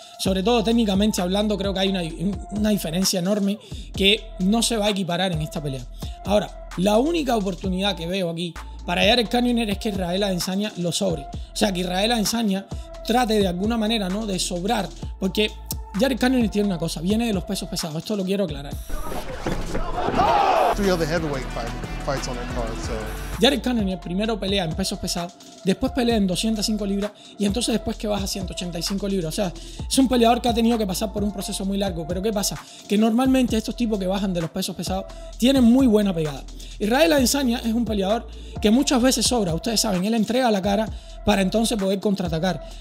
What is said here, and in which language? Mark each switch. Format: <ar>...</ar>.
<es>Sobre todo técnicamente hablando, creo que hay una diferencia enorme que no se va a equiparar en esta pelea. Ahora, la única oportunidad que veo aquí para Jared Cannonier es que Israel Adesanya lo sobre. O sea, que Israel Adesanya trate de alguna manera, ¿no?, de sobrar. Porque Jared Cannonier tiene una cosa, viene de los pesos pesados. Esto lo quiero aclarar.</es> <en>Three other heavyweight fights on their card, so.</en> <es>Jared Cannonier primero pelea en pesos pesados, después pelea en 205 libras y entonces después que baja a 185 libras. O sea, es un peleador que ha tenido que pasar por un proceso muy largo. Pero ¿qué pasa? Que normalmente estos tipos que bajan de los pesos pesados tienen muy buena pegada. Israel Adesanya es un peleador que muchas veces sobra. Ustedes saben, él entrega la cara para entonces poder contraatacar.</es>